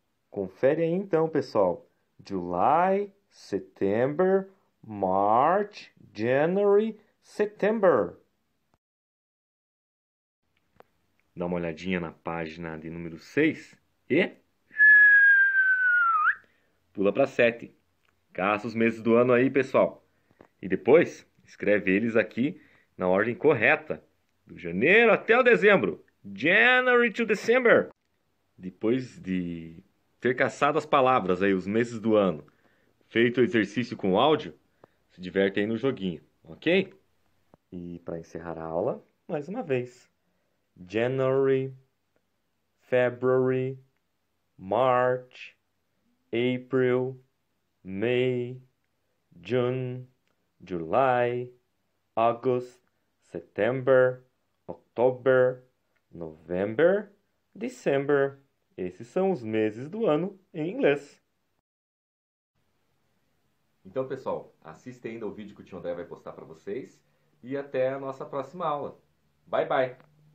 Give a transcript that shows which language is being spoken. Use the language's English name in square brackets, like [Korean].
[Portuguese] Confere aí então, pessoal. [English] July, September, March, January, September. [Portuguese] Dá uma olhadinha na página de número 6 e pula para 7. Caça os meses do ano aí, pessoal. E depois, escreve eles aqui na ordem correta. Do janeiro até o dezembro. [English] January to December. [Portuguese] Depois de ter caçado as palavras aí, os meses do ano, feito o exercício com áudio, se diverte aí no joguinho, ok? E para encerrar a aula, mais uma vez. [English] January, February, March, April, May, June, July, August, September, October, November, December. [Portuguese] Esses são os meses do ano em inglês. Então, pessoal, assista ainda o vídeo que o Tio André vai postar para vocês e até a nossa próxima aula. [English] Bye, bye!